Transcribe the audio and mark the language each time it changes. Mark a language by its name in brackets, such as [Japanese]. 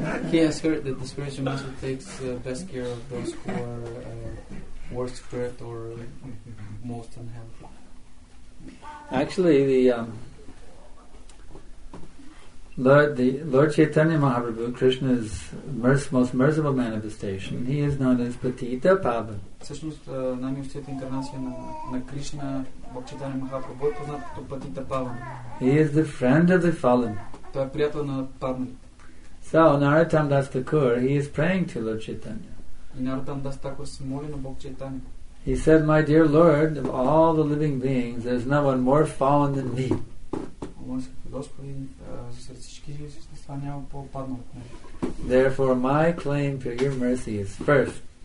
[English] He has heard that the spiritual master takes best care of those who are worst hurt or most unhappy. Actually, the Lord Chaitanya Mahaprabhu, Krishna's most merciful manifestation, he is known as Patita Pavan. [Bulgarian] Всъщност, най-милостивата инкарнация на Кришна, Бог Чайтанья Махапрабху, е познат като Патита Павана. [English] He is the friend of the fallen. [Bulgarian] Той е приятел на падналите. [English] So, Narottam Das Thakur, he is praying to Lord Chaitanya. [Bulgarian] И Narottam Das Thakur се моли на Бог Чайтанья. [English] He said, my dear Lord, of all the living beings, there is no one more fallen than me. [Bulgarian] Господи, сред всички същества няма по-паднал от мен. [English] Therefore, my claim to your mercy is first.